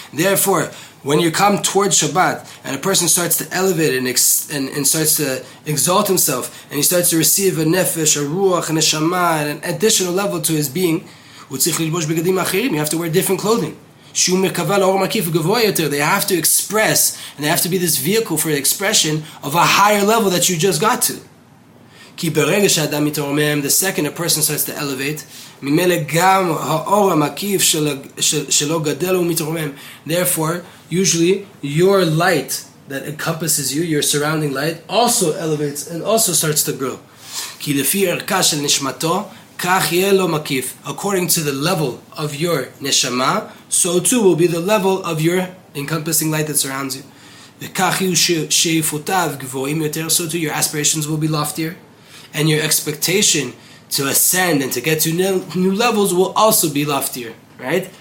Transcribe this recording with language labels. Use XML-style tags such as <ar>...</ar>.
<en>Therefore, when you come towards Shabbat and a person starts to elevate and starts to exalt himself and he starts to receive a nefesh, a ruach, a neshama, and an additional level to his being, you have to wear different clothing. They have to express and they have to be this vehicle for the expression of a higher level that you just got to.</en> <he>כי ברגע שאדם מתרומם,</he> <en>the second a person starts to elevate,</en> <he>ממילא גם האור המקיף שלא גדל ומתרומם.</he> <en>Therefore, usually, your light that encompasses you, your surrounding light, also elevates and also starts to grow.</en> <he>כי לפי ערכה של נשמתו, כך יהיה לו מקיף.</he> <en>According to the level of your neshama, so too will be the level of your encompassing light that surrounds you.</en> <he>וכך יהיו שאיפותיו גבוהים יותר,</he> <en>so too your aspirations will be loftier. And your expectation to ascend and to get to new levels will also be loftier, right?</en>